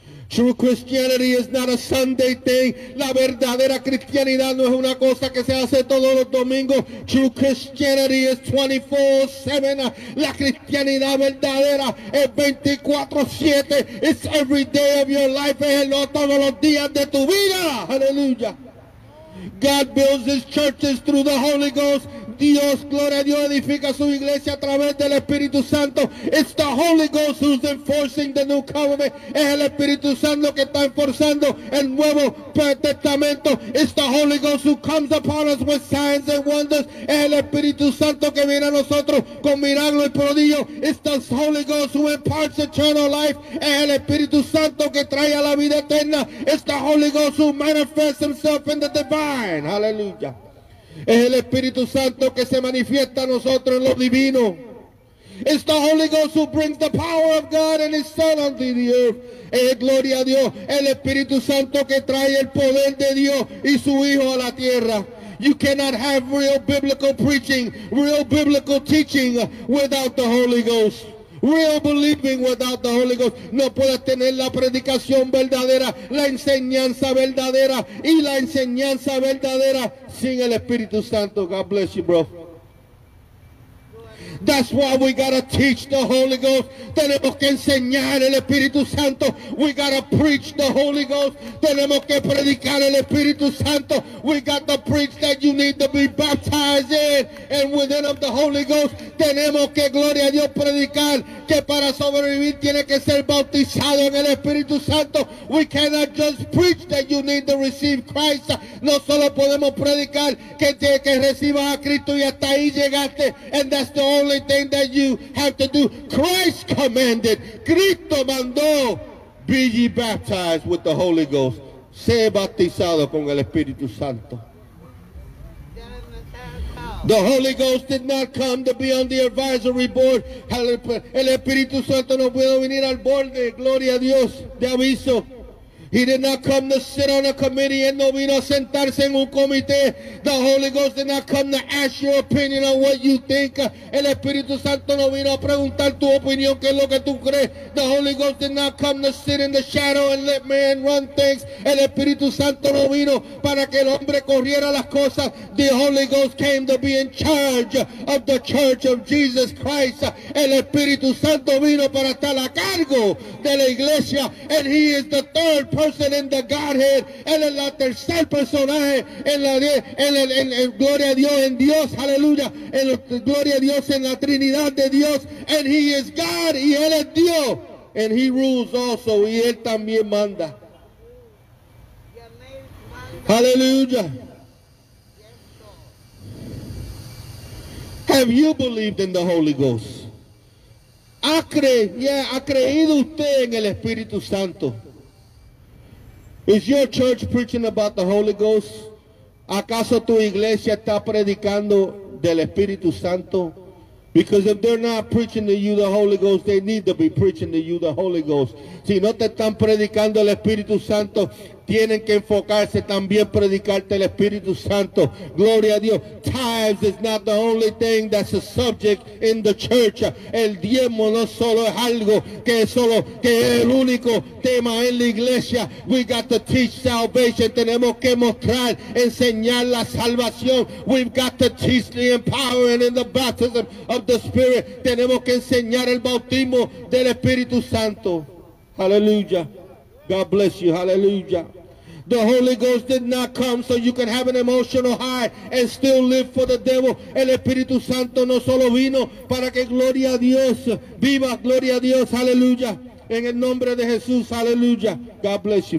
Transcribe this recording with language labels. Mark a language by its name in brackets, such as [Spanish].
[English] True Christianity is not a Sunday thing. [Spanish] La verdadera cristianidad no es una cosa que se hace todos los domingos. [English] True Christianity is 24/7. [Spanish] La cristianidad verdadera es 24/7. [English] It's every day of your life. [Spanish] Es el todos los días de tu vida. [English] Hallelujah. God builds his churches through the Holy Ghost. [Spanish] Dios, gloria a Dios, edifica su iglesia a través del Espíritu Santo. [English] It's the Holy Ghost who's enforcing the new covenant. [Spanish] Es el Espíritu Santo que está enforzando el nuevo testamento. [English] It's the Holy Ghost who comes upon us with signs and wonders. [Spanish] Es el Espíritu Santo que viene a nosotros con milagro y prodigio. [English] It's the Holy Ghost who imparts eternal life. [Spanish] Es el Espíritu Santo que trae a la vida eterna. [English] It's the Holy Ghost who manifests himself in the divine. Hallelujah. [Spanish] Es el Espíritu Santo que se manifiesta a nosotros en lo divino. [English] It's the Holy Ghost who brings the power of God and his Son unto the earth. [Spanish] Es gloria a Dios, el Espíritu Santo que trae el poder de Dios y su Hijo a la tierra. [English] You cannot have real biblical preaching, real biblical teaching without the Holy Ghost. Real believing without the Holy Ghost. [Spanish] No puedes tener la predicación verdadera, la enseñanza verdadera y la enseñanza verdadera sin el Espíritu Santo. [English] God bless you, bro. Yeah. That's why we gotta teach the Holy Ghost. [Spanish] Tenemos que enseñar el Espíritu Santo. [English] We gotta preach the Holy Ghost. [Spanish] Tenemos que predicar el Espíritu Santo. [English] We got to preach that you need to be baptized in and within of the Holy Ghost. [Spanish] Tenemos que, gloria a Dios, predicar que para sobrevivir tiene que ser bautizado en el Espíritu Santo. [English] We cannot just preach that you need to receive Christ. [Spanish] No solo podemos predicar que tiene que recibas a Cristo y hasta ahí llegaste. [English] And that's the only thing that you have to do. Christ commanded. [Spanish] Cristo mandó. [English] Be ye baptized with the Holy Ghost. [Spanish] Sé bautizado con el Espíritu Santo. [English] The Holy Ghost did not come to be on the advisory board. [Spanish] El Espíritu Santo no puede venir al borde. Gloria a Dios. De aviso. [English] He did not come to sit on a committee. [Spanish] Él no vino a sentarse en un comité. [English] The Holy Ghost did not come to ask your opinion on what you think. [Spanish] El Espíritu Santo no vino a preguntar tu opinión, qué es lo que tú crees. [English] The Holy Ghost did not come to sit in the shadow and let man run things. [Spanish] El Espíritu Santo no vino para que el hombre corriera las cosas. [English] The Holy Ghost came to be in charge of the church of Jesus Christ. [Spanish] El Espíritu Santo vino para estar a cargo de la iglesia. [English] And he is the third person in the Godhead. [Spanish] Él es la tercer personaje en la en gloria a Dios, en Dios, aleluya, en gloria a Dios, en la Trinidad de Dios. [English] And he is God, [Spanish] y él es Dios. [English] And he rules also, [Spanish] y él también manda. Aleluya. [English] Have you believed in the Holy Ghost? [Spanish] ¿Ha creído usted en el Espíritu Santo? [English] Is your church preaching about the Holy Ghost? [Spanish] ¿Acaso tu iglesia está predicando del Espíritu Santo? [English] Because if they're not preaching to you the Holy Ghost, they need to be preaching to you the Holy Ghost. [Spanish] Si no te están predicando el Espíritu Santo, tienen que enfocarse también predicarte el Espíritu Santo. Gloria a Dios. [English] Tithes is not the only thing that's a subject in the church. [Spanish] El diezmo no solo es algo que es solo que es el único tema en la iglesia. [English] We got to teach salvation. [Spanish] Tenemos que mostrar, enseñar la salvación. [English] We've got to teach the empowering and the baptism of the Spirit. [Spanish] Tenemos que enseñar el bautismo del Espíritu Santo. [English] Hallelujah. God bless you. Hallelujah. The Holy Ghost did not come so you can have an emotional high and still live for the devil. [Spanish] El Espíritu Santo no solo vino para que gloria a Dios viva. Gloria a Dios. Hallelujah. En el nombre de Jesús. Hallelujah. [English] God bless you.